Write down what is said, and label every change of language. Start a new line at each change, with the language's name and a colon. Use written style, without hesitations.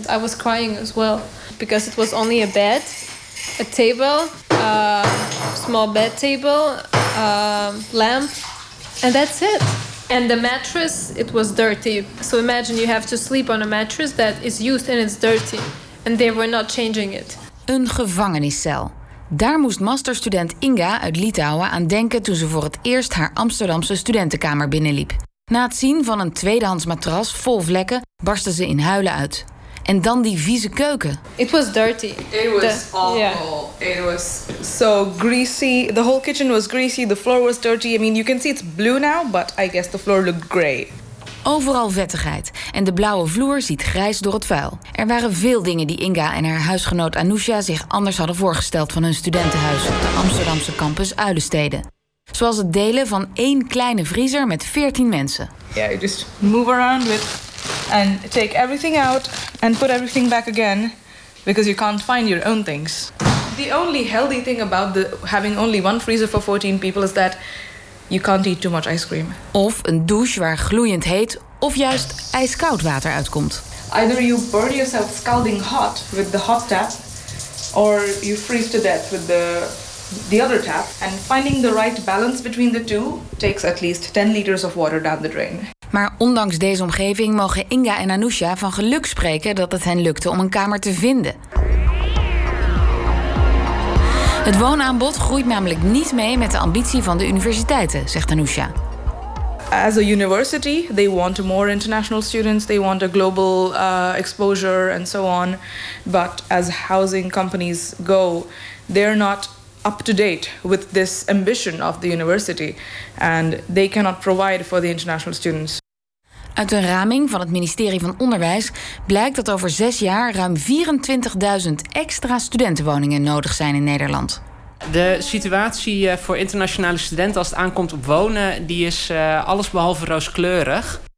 English: I was crying as well, because it was only a bed, a table, a small bed table, a lamp, and that's it. And the mattress, it was dirty. So imagine you have to sleep on a mattress that is used and it's dirty, and they were not changing it.
Dutch: Een gevangeniscel. Daar moest masterstudent Inga uit Litouwen aan denken toen ze voor het eerst haar Amsterdamse studentenkamer binnenliep. Na het zien van een tweedehands matras vol vlekken barstte ze in huilen uit. En dan die vieze keuken.
English: It was dirty. It was awful. Yeah. It was so greasy. The whole kitchen was greasy. The floor was dirty. I mean, you can see it's blue now, but I guess the floor looked gray.
Dutch: Overal vettigheid. En de blauwe vloer ziet grijs door het vuil. Er waren veel dingen die Inga en haar huisgenoot Anousha zich anders hadden voorgesteld van hun studentenhuis op de Amsterdamse campus Uilenstede. Zoals het delen van 1 kleine vriezer met 14 mensen.
English: Yeah, you just move around with and take everything out and put everything back again, because you can't find your own things. The only healthy thing about having only one freezer for 14 people is that You can't eat too much ice cream.
Dutch: Of een douche waar gloeiend heet of juist ijskoud water uitkomt.
English: Either you burn yourself scalding hot with the hot tap, or you freeze to death with the other tap. And finding the right balance between the two takes at least 10 liters of water down the drain.
Dutch: Maar ondanks deze omgeving mogen Inga en Anousha van geluk spreken dat het hen lukte om een kamer te vinden. Het woonaanbod groeit namelijk niet mee met de ambitie van de universiteiten, zegt Anousha.
English: As a university, they want more international students, they want a global exposure and so on. But as housing companies go, they're not up to date with this ambition of the university. And they cannot provide for the international students.
Dutch: Uit een raming van het ministerie van Onderwijs blijkt dat over 6 jaar ruim 24.000 extra studentenwoningen nodig zijn in Nederland. De situatie voor internationale studenten als het aankomt op wonen, die is allesbehalve rooskleurig.